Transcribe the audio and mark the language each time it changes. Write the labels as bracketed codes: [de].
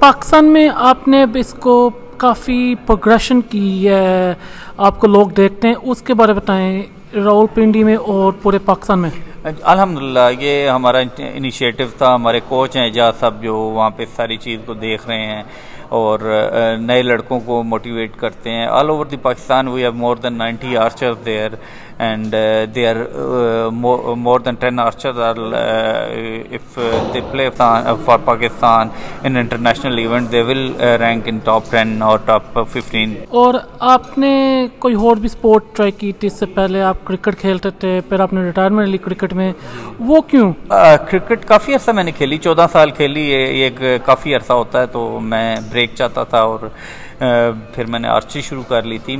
[ur] پاکستان میں آپ نے اس کو کافی پروگریشن کی ہے, آپ کو لوگ دیکھتے ہیں, اس کے بارے بتائیں راول پنڈی میں اور پورے پاکستان میں. الحمدللہ یہ ہمارا انیشیٹو تھا, ہمارے کوچ ہیں اعجاز صاحب جو وہاں پہ ساری چیز کو دیکھ رہے ہیں اور نئے لڑکوں کو موٹیویٹ کرتے ہیں. [en] All over the Pakistan we have more than 90 archers there and they are more than 10 archers are if they play for Pakistan in international event they will rank in top 10 اور top 15. [ur] اور آپ نے کوئی اور بھی اسپورٹ ٹرائی کی تھی اس سے پہلے؟ آپ کرکٹ کھیلتے تھے, پھر آپ نے ریٹائرمنٹ لی کرکٹ میں, وہ کیوں؟ کرکٹ کافی عرصہ میں نے کھیلی, 14 سال کھیلی, یہ ایک کافی عرصہ ہوتا ہے, تو میں بریک چاہتا تھا اور پھر میں نے آرچری شروع کر لی تھی.